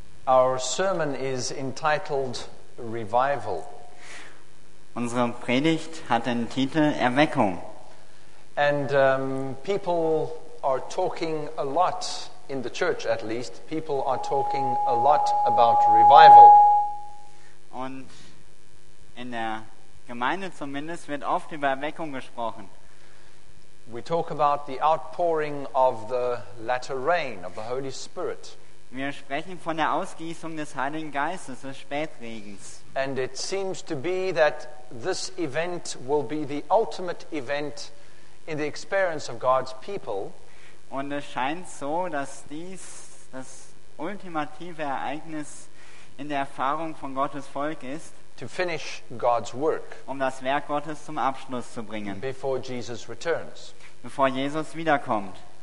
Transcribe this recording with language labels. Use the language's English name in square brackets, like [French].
[English] Our sermon is entitled Revival. [German] Unsere Predigt hat den Titel Erweckung. [English] And people are talking a lot in the church, at least. People are talking a lot about revival. [German] Und in der Gemeinde zumindest wird oft über Erweckung gesprochen. [English] We talk about the outpouring of the latter rain of the Holy Spirit. [German] Wir sprechen von der Ausgießung des Heiligen Geistes, des Spätregens. [English] And it seems to be that this event will be the ultimate event in the experience of God's people. [German] Und es scheint so, dass dies das ultimative Ereignis in der Erfahrung von Gottes Volk ist. [English] To finish God's work. [German] Um das Werk Gottes zum Abschluss zu bringen. [English] Before Jesus returns. [German] Bevor Jesus wiederkommt.